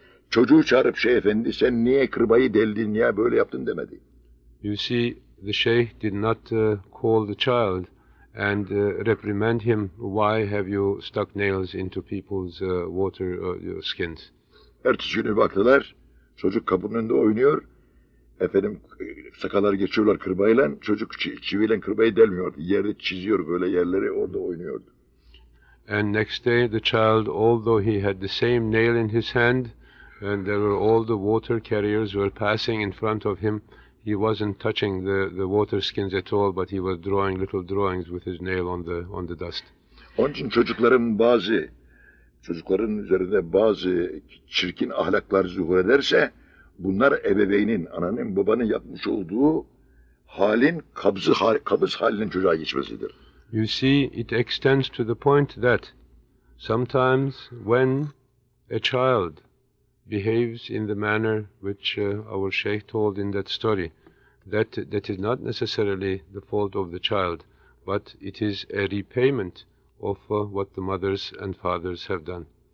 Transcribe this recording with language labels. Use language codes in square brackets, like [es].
[tr] Çocuğu çağırıp Şeyh Efendi, sen niye kırbayı deldin, niye böyle yaptın demedi. [en] You see, the Şeyh did not call the child and reprimand him, why have you stuck nails into people's water skins? [tr] Ertesi günü baktılar, çocuk kapının önünde oynuyor. Efendim, sakalar geçiyorlar kırbayla, çocuk çiviyle kırbayı delmiyordu. Yerde çiziyor böyle yerleri, orada oynuyordu. [en] And next day the child, although he had the same nail in his hand, and there were all the water carriers were passing in front of him, he wasn't touching the water skins at all, but he was drawing little drawings with his nail on the dust. [tr] Onun için çocukların üzerinde bazı çirkin ahlaklar zuhur ederse, bunlar ebeveynin, ananın, babanın yapmış olduğu halin kabız halinin çocuğa geçmesidir. [en] You see, it extends to the point that sometimes when a child behaves in the manner which our Shaykh told in that story, that is not necessarily the fault of the child, but it is a repayment of what the mothers and fathers have done.